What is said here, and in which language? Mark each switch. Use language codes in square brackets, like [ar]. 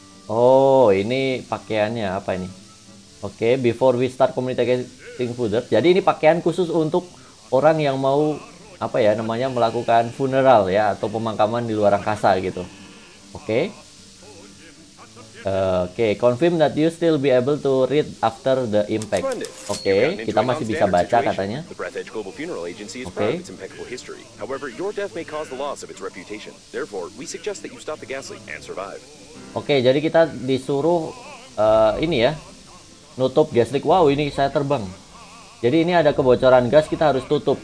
[id] Oh, ini pakaiannya apa ini? [en] Oke, okay, before we start communicating further. [id] Jadi ini pakaian khusus untuk orang yang mau apa ya namanya melakukan funeral ya atau pemakaman di luar angkasa gitu. Oke. Okay. [en] Oke, okay, confirm that you still be able to read after the impact. [id] Oke, okay, kita masih bisa baca katanya. Oke. Okay. [en] However, your death may cause the loss of its reputation. Therefore, we suggest that you stop the gas leak and survive. [id] Oke, okay, jadi kita disuruh ini ya. Nutup gas leak. Wow, ini saya terbang. Jadi ini ada kebocoran gas, kita harus tutup.